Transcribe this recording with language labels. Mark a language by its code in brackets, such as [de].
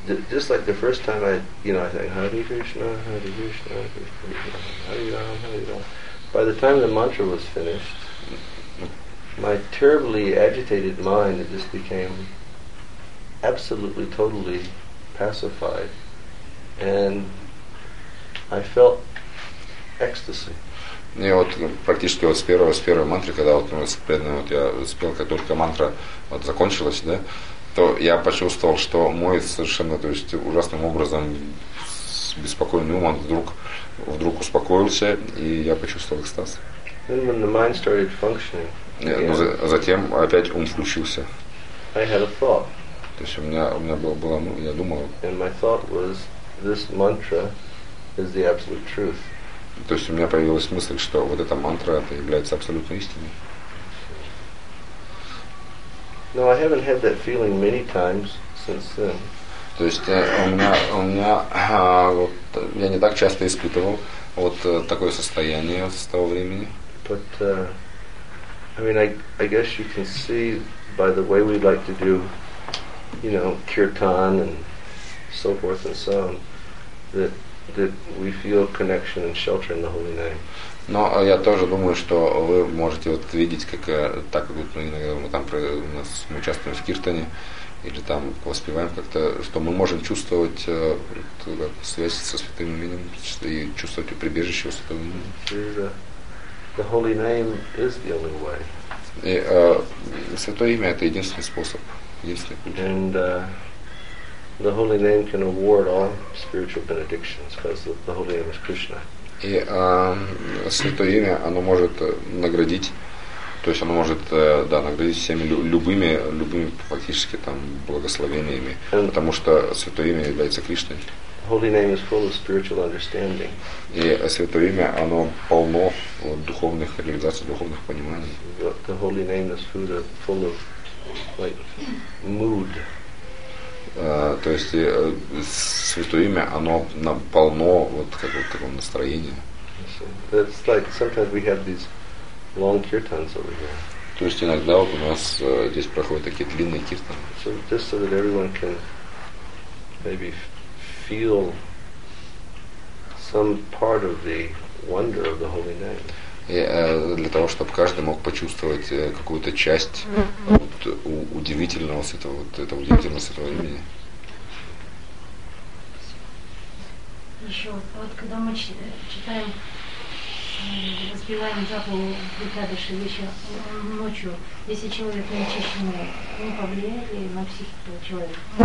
[en] Just like the first time I think Hare Krishna, Hare Rama. By the time the mantra was finished, my terribly agitated mind just became absolutely, totally pacified, and I felt ecstasy. [ru] И вот практически вот с первой мантры, когда вот я спел, как только мантра вот закончилась, да, то я почувствовал, что мой совершенно, то есть ужасным образом беспокойный ум вдруг успокоился, и я почувствовал экстаз. [en] Then when the mind started functioning, [ru] затем опять ум включился. [en] I had a thought. [ru] То есть у меня было, ну, я думал. [en] And my thought was, this mantra is the absolute truth. [ru] То есть у меня появилась мысль, что вот эта мантра это является абсолютной истиной. [en] No, I haven't had that feeling many times since then. [ru] То есть я не так часто испытывал вот такое состояние с того времени. [en] But I guess you can see by the way we like to do, you know, kirtan and so forth and so on, that we feel connection and shelter in the holy name. [ru] Но я тоже думаю, что вы можете вот видеть, как так вот иногда мы участвуем в киртане или там воспеваем как-то, что мы можем чувствовать связь со святым именем и чувствовать прибежище у святого имени. [en] The holy name is the only way. [ru] И святое имя это единственный способ, единственный путь. [en] And the holy name can award all spiritual benedictions because the holy name is Krishna. [ru] И святое имя оно может наградить, то есть оно может наградить всеми любыми фактически там благословениями, and потому что святое имя является Кришной. [en] Holy name is full of spiritual understanding. [ru] И святое имя, оно полно духовных реализаций, духовных пониманий. [en] The holy name is full of like mood. [ru] То есть святое имя, оно полно вот какого-то такого настроения. [en] It's like sometimes we have these long kirtans over here. [ru] То есть иногда вот у нас здесь проходят такие длинные киртаны. [en] So just so that everyone can maybe feel some part of the wonder of the holy name. [ru] И для того, чтобы каждый мог почувствовать какую-то часть вот, удивительного святого, вот этого удивительного святого имени. Еще, вот когда мы читаем, разбиваем заповедь Бекадыши вечером, ночью, если человек не очищен, он повлияет ли на психику человека?